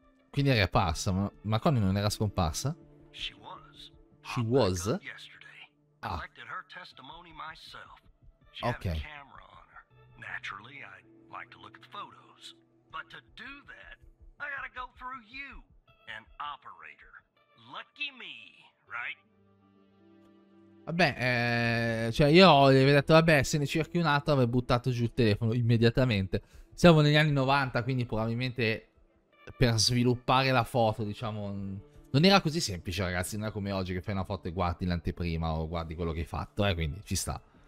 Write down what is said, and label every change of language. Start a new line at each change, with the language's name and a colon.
Italian: Quindi era apparsa, ma Connie non era scomparsa?
English: She was. She was? Yesterday. I collected her testimony myself. She
Italian: ok.
English: Had a camera. Naturally, I'd like to look at the photos, but to do that, I gotta go through you, an operator. Lucky me, right?
Italian: Vabbè, cioè io gli avevo detto, vabbè, se ne cerchi un altro, avrei buttato giù il telefono immediatamente. Siamo negli anni 90, quindi probabilmente per sviluppare la foto, diciamo, non era così semplice, ragazzi, non è come oggi che fai una foto e guardi l'anteprima o guardi quello che hai fatto, quindi ci sta.